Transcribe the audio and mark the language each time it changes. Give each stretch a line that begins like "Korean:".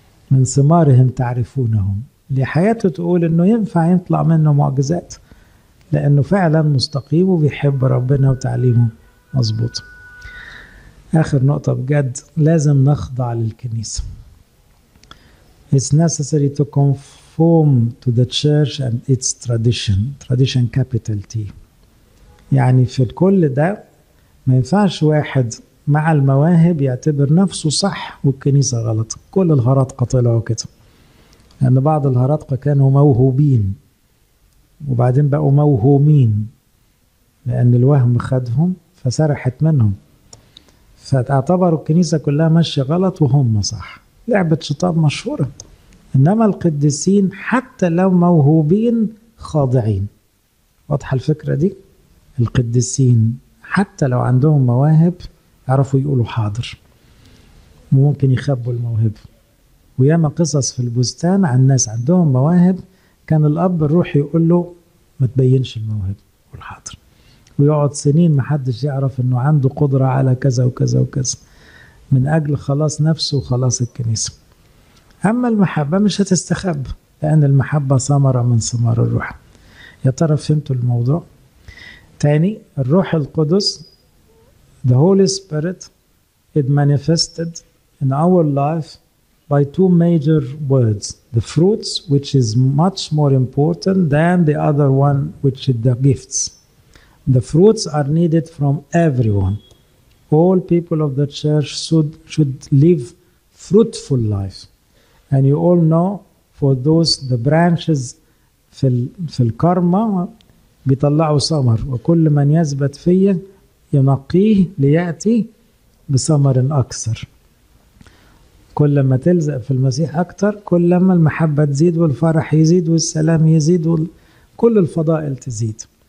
Arabic: من ثمارهم تعرفونهم، لحياته تقول إنه ينفع يطلع منه معجزات لأنه فعلا مستقيم وبيحب ربنا وتعليمه مظبوط. آخر نقطة، بجد لازم نخضع للكنيسة.
English: It's necessary to conform to the church and its tradition. Tradition capital T.
Arabic: يعني في الكل ده ما ينفعش واحد مع المواهب يعتبر نفسه صح والكنيسة غلط. كل الهرطقة طلعوا كده. لأن بعض الهرطقة كانوا موهوبين وبعدين بقوا موهومين لأن الوهم خدهم فسرحت منهم، فاعتبروا الكنيسة كلها ماشية غلط وهم صح. لعبة شطاب مشهورة. إنما القديسين حتى لو موهوبين خاضعين. واضحة الفكرة دي؟ القديسين حتى لو عندهم مواهب يعرفوا يقولوا حاضر، وممكن يخبوا الموهبة. وياما قصص في البستان عن ناس عندهم مواهب كان الأب الروحي يقول له ما تبينش الموهبة، قول حاضر، ويقعد سنين محدش يعرف انه عنده قدرة على كذا وكذا وكذا، من اجل خلاص نفسه وخلاص الكنيسة. اما المحبة مش هتستخب، لان المحبة ثمرة من ثمار الروح. يا ترى فهمتوا الموضوع؟ تاني، الروح القدس
English: the Holy Spirit it manifested in our life by two major words, the fruits which is much more important than the other one which is the gifts. The fruits are needed from everyone. All people of the church should live fruitful life. And you all know, for those the branches
Arabic: في الكرمة بيطلعوا ثمر، وكل من يثبت فيا ينقيه ليأتي بثمر أكثر. كل ما تلزق في المسيح أكثر، كل ما المحبة تزيد والفرح يزيد والسلام يزيد وكل الفضائل تزيد.